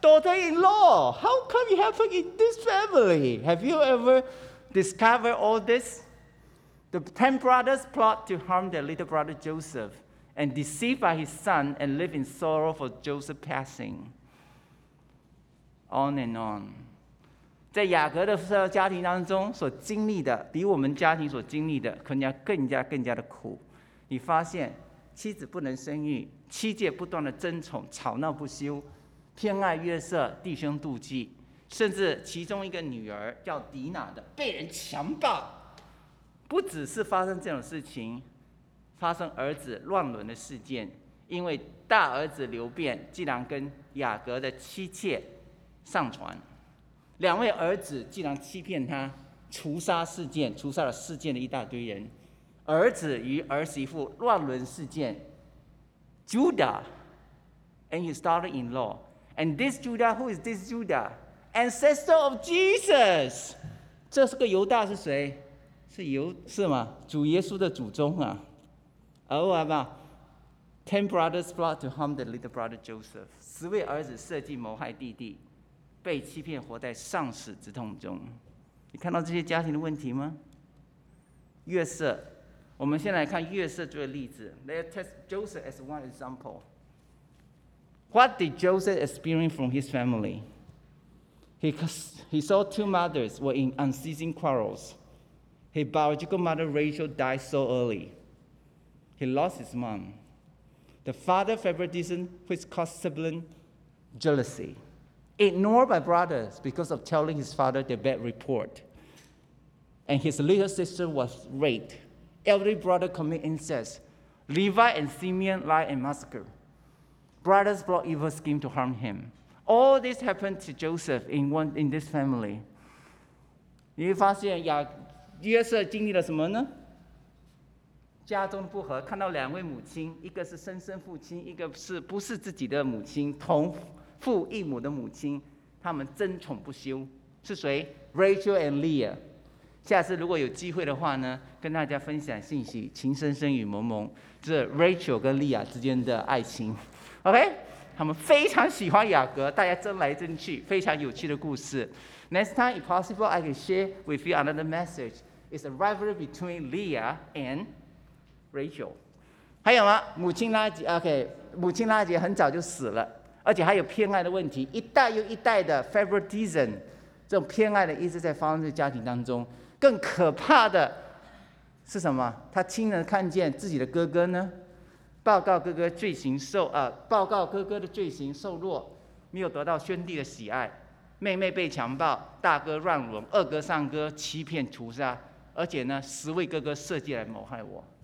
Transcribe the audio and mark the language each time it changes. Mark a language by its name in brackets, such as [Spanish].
[English] Daughter-in-law. How come it happened in this family? Have you ever discovered all this? The ten brothers plot to harm their little brother Joseph and deceived by his son and live in sorrow for Joseph passing. On and on. [Chinese] 在雅各的家庭当中所经历的，比我们家庭所经历的可能要更加的苦。你发现妻子不能生育，妻妾不断的争宠，吵闹不休，偏爱约瑟，弟兄妒忌，甚至其中一个女儿叫迪娜的被人强暴。不只是发生这种事情，发生儿子乱伦的事件，因为大儿子流便竟然跟雅各的妻妾上床，两位儿子竟然欺骗他，除杀事件，除杀了事件的一大堆人，儿子与儿媳妇乱伦事件 ， [English] Judah and his daughter-in-law, and this Judah, who is this Judah? Ancestor of Jesus. [Chinese] 这是个犹大是谁？是犹是吗？主耶稣的祖宗啊。 [English] Oh, Abba. Ten brothers plot to harm the little brother Joseph. [Chinese] 十位儿子设计谋害弟弟。被欺骗活在丧死之痛中，你看到这些家庭的问题吗？约瑟，我们先来看约瑟这个例子。 [English] Let's test Joseph as one example. What did Joseph experience from his family? He saw two mothers were in unceasing quarrels. His biological mother Rachel died so early. He lost his mom. The father favoritism which caused sibling jealousy. Ignored by brothers because of telling his father the bad report. And his little sister was raped. Elder brother commit incest. Levi and Simeon lie and massacre. Brothers plot evil scheme to harm him. All this happened to Joseph in this family. [Chinese] 你发现约瑟经历了什么呢？家中不和，看到两位母亲，一个是生身父亲，一个是不是自己的母亲，同父异母的母亲，他们争宠不休，是谁 ？Rachel and Leah。下次如果有机会的话呢，跟大家分享信息，情深深雨蒙蒙，这 Rachel 跟 Leah 之间的爱情。 OK， 他们非常喜欢雅各，大家争来争去，非常有趣的故事。 [English] Next time, if possible, I can share with you another message. It's a rivalry between Leah and Rachel. [Chinese] 还有吗？母亲拉杰 ，OK， 母亲拉杰很早就死了。而且还有偏爱的问题，一代又一代的 favoritism， 这种偏爱的一直在发生在家庭当中。更可怕的是什么？他亲眼看见自己的哥哥呢，报告哥哥的罪行受弱，没有得到兄弟的喜爱，妹妹被强暴，大哥乱伦，二哥三哥欺骗屠杀，而且呢，十位哥哥设计来谋害我。